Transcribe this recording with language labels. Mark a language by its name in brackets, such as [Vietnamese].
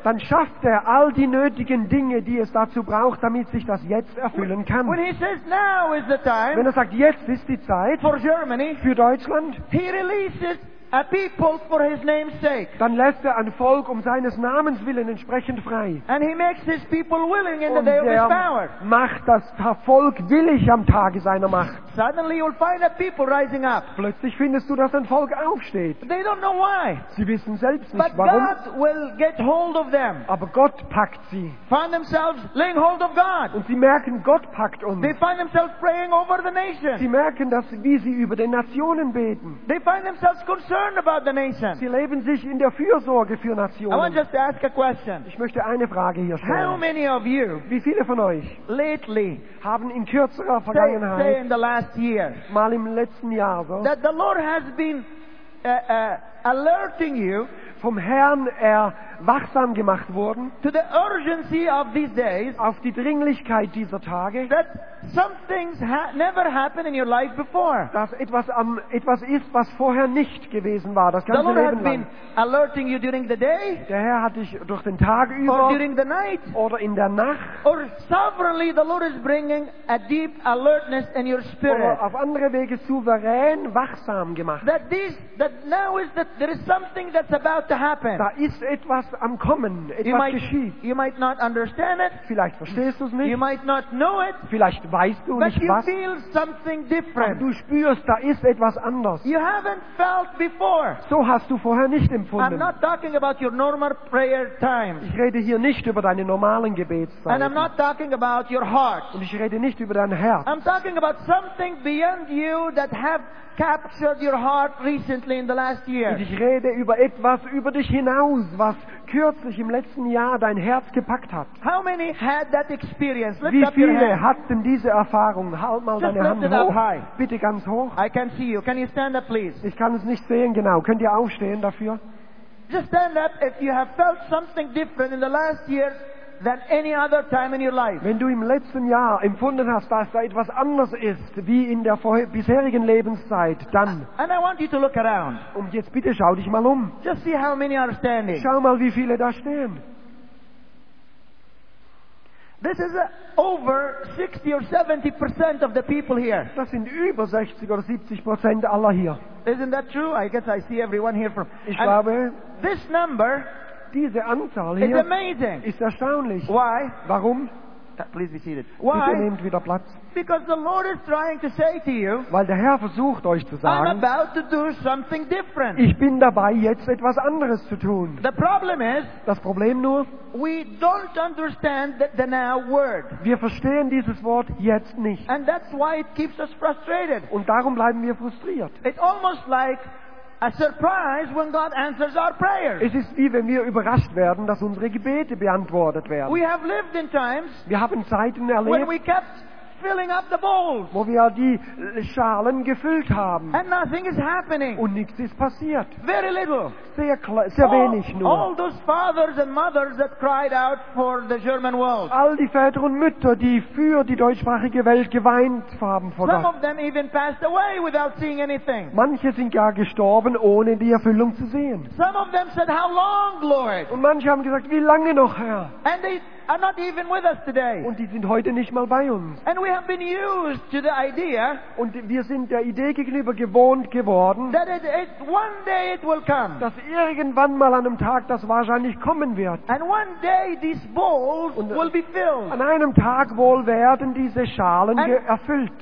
[German] Dann schafft er all die nötigen Dinge, die es dazu braucht, damit sich das jetzt erfüllen kann. [English] When he says now is the time. [German] Wenn er sagt jetzt ist die Zeit. [English] For Germany. [German] Für Deutschland. [English] He releases a people for his name's sake. [German] Dann lässt er ein Volk um seines Namens willen entsprechend frei. [English] And he makes his people willing in the day of his power. [German] Macht das Volk willig am Tage seiner Macht. [English] Suddenly you'll find a people rising up. [German] Plötzlich findest du, dass ein Volk aufsteht. [English] They don't know why. [German] Sie wissen selbst [English] but [German] nicht, warum. [English] God will get hold of them. [German] Aber Gott packt sie. [English] Find themselves laying hold of God. [German] Und sie merken, Gott packt uns. [English] They find themselves praying over the nation. [German] Sie merken, dass, wie sie über den Nationen beten. [English] They find themselves concerned about the nation. [German] Sie leben sich in der Fürsorge für Nationen. [English] I want just to ask a question. [German] Ich möchte eine Frage hier stellen. [English] How many of you, [German] wie viele von euch, [English] lately, [German] haben in kürzerer Vergangenheit, [English] say in the last year, [German] mal im letzten Jahr, so, [English] that the Lord has been alerting you, [German] vom Herrn wachsam gemacht worden, [English] to the urgency of these days, [German] auf die Dringlichkeit dieser Tage, [English] that some things never happened in your life before. [German] Dass etwas ist, was vorher nicht gewesen war, das ganze Leben lang. [English] The Lord has been alerting you during the day, [German] der Herr hat dich durch den Tag über, [English] or during the night, [German] oder in der Nacht, [English] or sovereignly the Lord is bringing a deep alertness in your spirit. [German] Oder auf andere Wege souverän wachsam gemacht. [English] There is something that's about to happen. [German] Da ist etwas am Kommen, etwas geschieht. [English] You might not understand it. [German] Vielleicht verstehst du es nicht. [English] You might not know it. [German] Vielleicht weißt du [English] but [German] nicht [English] you [German] was. [English] Feel something different. [German] Aber du spürst, da ist etwas anders. [English] You haven't felt before. [German] So hast du vorher nicht empfunden. [English] I'm not talking about your normal prayer times. [German] Ich rede hier nicht über deine normalen Gebetszeiten. [English] And I'm not talking about your heart. [German] Und ich rede nicht über dein Herz. [English] I'm talking about something beyond you that have captured your heart recently in the last year. [German] Und ich rede über etwas über dich hinaus, was kürzlich im letzten Jahr dein Herz gepackt hat. [English] How many had that experience? [German] Wie viele hatten diese Erfahrung? Halt mal deine Hand hoch. Bitte ganz hoch. [English] I can see you. Can you stand up, please? [German] Ich kann es nicht sehen, genau. Könnt ihr aufstehen dafür? [English] Just stand up if you have felt something different in the last year than any other time in your life. [German] Wenn du im letzten Jahr empfunden hast, dass da etwas anders ist wie in der bisherigen Lebenszeit, dann. [English] And I want you to look around. [German] Und jetzt bitte schau dich mal um. [English] Just see how many are standing. [German] Schau mal, wie viele da stehen. [English] This is over 60 or 70% of the people here. [German] Das sind über 60 oder 70% aller hier. [English] Isn't that true? I guess I see everyone here from. [German] Ich glaube. [English] This number. [German] Diese Anzahl hier [English] amazing. [German] Ist erstaunlich. [English] Why? [German] Warum? [English] Please be seated. Why? [German] Bitte nehmt wieder Platz. [English] Because the Lord is trying to say to you, [German] weil der Herr versucht euch zu sagen, [English] I'm about to do something different. [German] Ich bin dabei, jetzt etwas anderes zu tun. [English] The problem is, [German] das Problem nur, [English] we don't understand the now word. [German] Wir verstehen dieses Wort jetzt nicht. [English] And that's why it keeps us frustrated. [German] Und darum bleiben wir frustriert. [English] It's almost like a surprise when God answers our prayers. [German] Es ist wie wenn wir überrascht werden, dass unsere Gebete beantwortet werden. [English] We have lived in times, [German] wir haben Zeiten erlebt, [English] when we kept filling up the bowls, [German] wo wir die Schalen gefüllt haben, [English] and nothing is happening. [German] Und nichts ist passiert. [English] Very little. [German] Sehr wenig nur. [English] All those fathers and mothers that cried out for the German world. [German] All die Väter und Mütter, die für die deutschsprachige Welt geweint haben vor Gott. [English] Some of them even passed away without seeing anything. [German] Manche sind gar gestorben, ohne die Erfüllung zu sehen. [English] Some of them said, "How long, Lord?" [German] Und manche haben gesagt, wie lange noch, Herr? [English] And they are not even with us today. [German] Und die sind heute nicht mal bei uns. [English] And we have been used to the idea. [German] Und wir sind der Idee gegenüber gewohnt geworden. [English] That it one day it will come. [German] Dass irgendwann mal an einem Tag das wahrscheinlich kommen wird. [English] And one day these bowls will be filled. [German] An einem Tag wohl werden diese Schalen gefüllt.